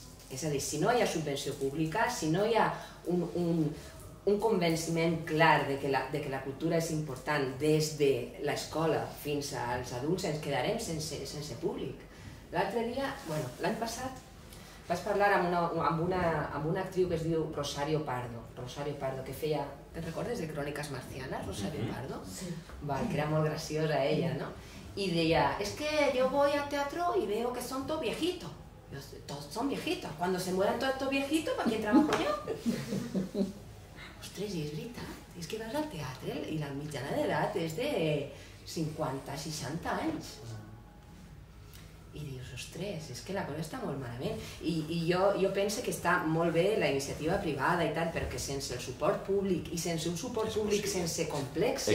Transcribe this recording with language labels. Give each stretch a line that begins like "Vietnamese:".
Catalan: És a dir, si no hi ha subvenció pública, si no hi ha un convenciment clar de que la cultura és important des de l'escola fins als adults, ens quedarem sense públic. L'altre dia, bueno, l'any passat, vaig parlar amb una actriu que es diu Rosario Pardo, que feia, te'n recordes de Cròniques Marcianes, Rosario Pardo? Sí. Val, que era molt graciosa ella, no? I deia,
Spanish: es que yo voy al teatro y veo que son todos viejitos. Todos son viejitos. Cuando se mueran todos estos viejitos, ¿para quién trabajo yo?
Catalan: Ostres, i és veritat, és que vas al teatre i la mitjana d'edat és de 50-60 anys. I dius, ostres, és que la cosa està molt malament. I jo penso que està molt bé la iniciativa privada i tal, però que sense el suport públic i sense un suport públic sense complexe,